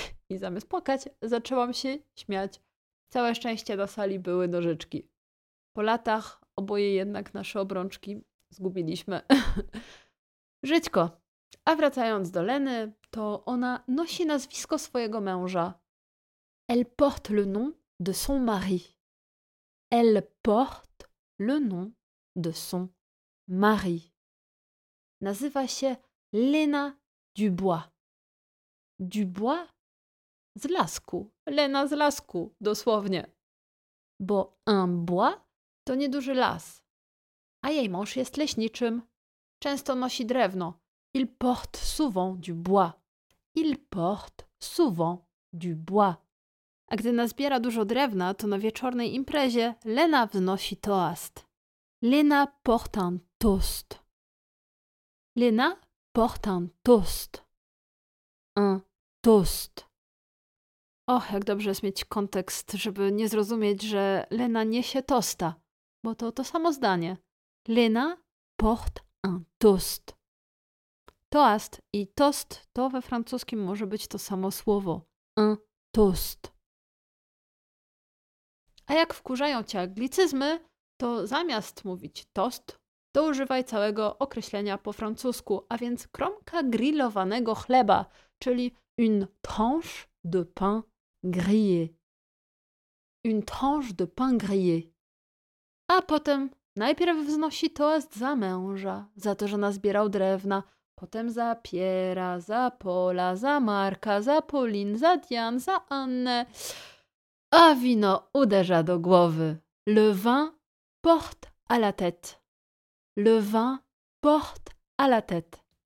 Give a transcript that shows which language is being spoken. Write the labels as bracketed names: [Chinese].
[Polish] I zamiast płakać, zaczęłam się śmiać. Całe szczęście na sali były nożyczki. Po latach oboje jednak nasze obrączki zgubiliśmy. Żyćko. A wracając do Leny, to ona nosi nazwisko swojego męża. [French] Elle porte le nom de son mari. Elle porte le nom de son mari. [Polish] Nazywa się Lena Dubois. Dubois? Z lasku. Lena z lasku, dosłownie. [French] Bo un bois [Polish] to nieduży las. A jej mąż jest leśniczym. Często nosi drewno. [French] Il porte souvent du bois. Il porte souvent du bois. [Polish] A gdy nazbiera dużo drewna, to na wieczornej imprezie Lena wznosi toast. [French] Lena porte un toast. Lena porte un toast. Un toast. [Polish] Och, jak dobrze jest mieć kontekst, żeby nie zrozumieć, że Lena niesie tosta, bo to to samo zdanie. [French] Lena porte un toast. [Polish] Toast i toast to we francuskim może być to samo słowo. [French] Un toast. [Polish] A jak wkurzają cię anglicyzmy, to zamiast mówić toast, to używaj całego określenia po francusku, a więc kromka grillowanego chleba, czyli [French] une tranche de pain grillé. Une tranche de pain grillé. [Polish] A potem najpierw wznosi toast za męża, za to, że nazbierał drewna, potem za Piera, za Paula, za Marka, za Pauline, za Diane, za Annę. A wino uderza do głowy. [French] Le vin porte à la tête. Le vin porte à la tête.